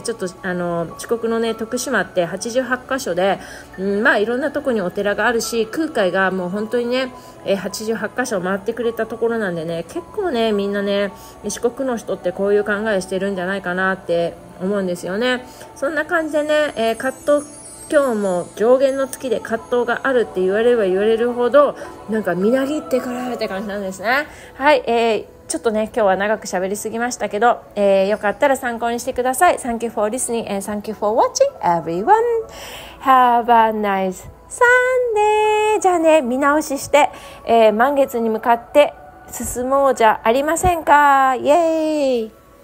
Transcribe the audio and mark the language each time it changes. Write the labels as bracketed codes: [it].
[ja] ちょっと遅刻のね、徳島って88カ所で、うん、まあいろんなとこにお寺があるし、空海がもう本当にね、88箇所回ってくれたところなんでね、結構ね、みんなね、四国の人ってこういう考えしてるんじゃないかなって思うんですよね。そんな感じでね、葛藤、今日も上限の月で葛藤があるって言われれば言われるほど、なんかみなぎってくれるって感じなんですね。はい、ちょっとね、今日は長く喋りすぎましたけど、よかったら参考にしてください。 [en] Thank you for listening and thank you for watching everyone. Have a nice Sunday. [ja] じゃあね、見直しして、満月に向かって進もうじゃありませんか。イエーイ。